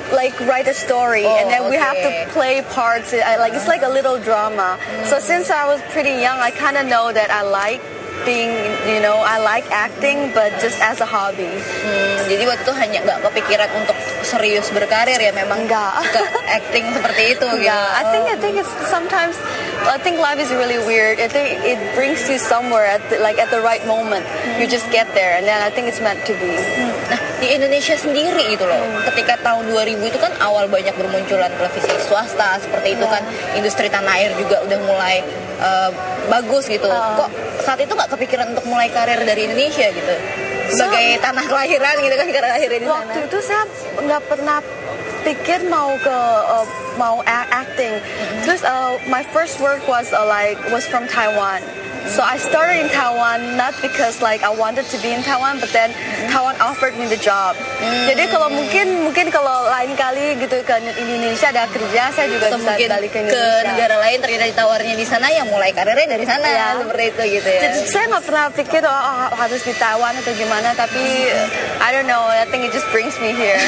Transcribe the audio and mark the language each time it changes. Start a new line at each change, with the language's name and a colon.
English: like write a story, and then we have to play parts. It's like a little drama. So since I was pretty young, I kind of know that I like being, you know, I like acting, but just as a hobby.
Indonesian: Jadi waktu itu hanya nggak kepikiran untuk serius berkarir ya, memang nggak acting seperti itu. Gitu.
English: I think it's sometimes. I think life is really weird. I think it brings you somewhere at the right moment. You just get there, and then I think it's meant to be.
Indonesian: Nah, di Indonesia sendiri itu loh, ketika tahun 2000 itu kan awal banyak bermunculan televisi swasta seperti itu kan, industri tanah air juga udah mulai bagus gitu. Kok saat itu nggak kepikiran untuk mulai karir dari Indonesia gitu, sebagai tanah kelahiran gitu kan, karena lahir di sana. Waktu itu saya nggak pernah pikir mau ke mau acting. Terus
English: my first work was from Taiwan. So I started in Taiwan not because like I wanted to be in Taiwan, but then Taiwan offered me the job.
Indonesian: Jadi kalau mungkin kalau lain kali gitu ke Indonesia ada kerja, saya juga bisa balik ke Indonesia. Ke negara lain ternyata ditawarnya di sana, ya mulai karirnya dari sana. Ya, seperti itu gitu ya. Jadi saya nggak pernah pikir harus di Taiwan atau gimana, tapi
English: I don't know, I think it just brings me here.